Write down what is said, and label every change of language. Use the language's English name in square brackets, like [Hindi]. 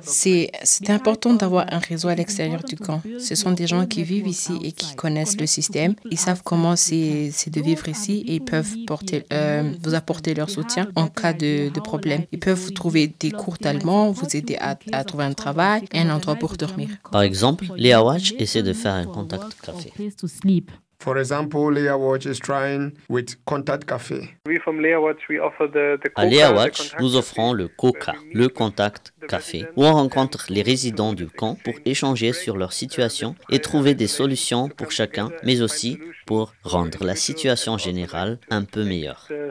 [French] C'est important d'avoir un réseau à l'extérieur du camp. Ce sont des gens qui vivent ici et qui connaissent le système. Ils savent comment c'est de vivre ici et ils peuvent vous apporter leur soutien en cas de problème. Ils peuvent vous trouver des cours d'allemand, vous aider à trouver un travail et un endroit pour dormir. Par exemple, Leah Watch essaie de faire un contact café. [English] For example, Leah Watch is trying with Contact Café. We from Leah Watch, we offer the [French] à Leah Watch, nous offrons le COCA, le Contact Café, où on rencontre les résidents du camp pour échanger sur leur situation et trouver des solutions pour chacun, mais aussi pour rendre la situation générale un peu meilleure.